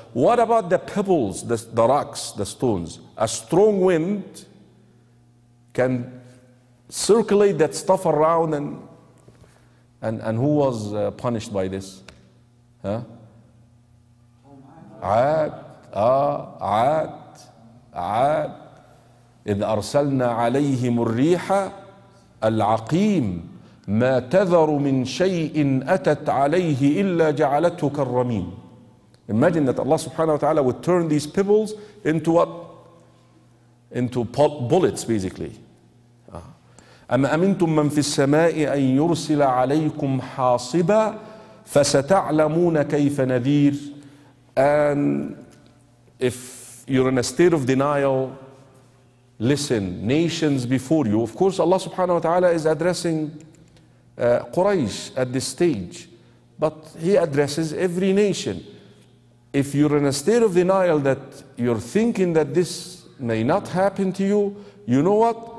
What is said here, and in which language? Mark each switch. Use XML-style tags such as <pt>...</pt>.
<en>What about the pebbles, the rocks, the stones? A strong wind can circulate that stuff around, and who was punished by this? Huh? عاد.</en> <ar>عاد إذ أرسلنا عليهم الريح العقيم ما تذر من شيء أتت عليه إلا جعلته كالرميم.</ar> <en>Imagine that Allah subhanahu wa ta'ala would turn these pebbles into what? Into bullets basically.</en> <ar>أم أمنتم من في السماء أن يرسل عليكم حاصبا فستعلمون كيف نذير.</ar> <en>And if you're in a state of denial, listen, nations before you. Of course, Allah subhanahu wa ta'ala is addressing Quraysh at this stage, but He addresses every nation. If you're in a state of denial that you're thinking that this may not happen to you, you know what?</en>